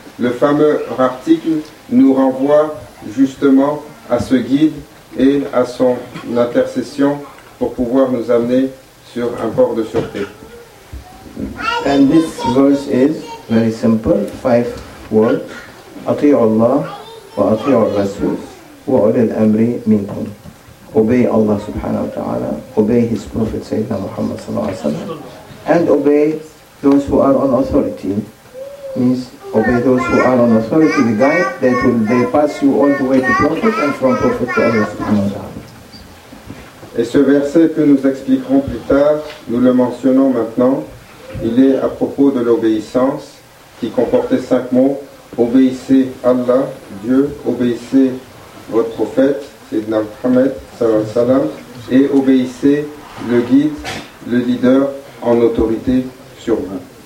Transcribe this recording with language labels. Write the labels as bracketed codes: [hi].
[fr] Le fameux article nous renvoie justement à ce guide et à son intercession pour pouvoir nous amener sur un port de sûreté. [en] And this verse is very simple, 5 words. [ar] Atiyu Allah wa atiyu Rasul wa ulil amri minkum. [en] Obey Allah subhanahu wa ta'ala, obey His Prophet Sayyidina Muhammad sallallahu alayhi wa sallam, and obey those who are on authority. Means obey those who are on authority, the guide that will they pass you all the way to Prophet and from Prophet to Allah subhanahu wa ta'ala. [fr] Et ce verset que nous expliquerons plus tard, nous le mentionnons maintenant, il est à propos de l'obéissance qui comportait 5 mots. Obéissez Allah, Dieu, obéissez votre prophète, Sayyidina Muhammad, sallallahu alayhi wa sallam, et obéissez le guide, le leader en autorité sur vous.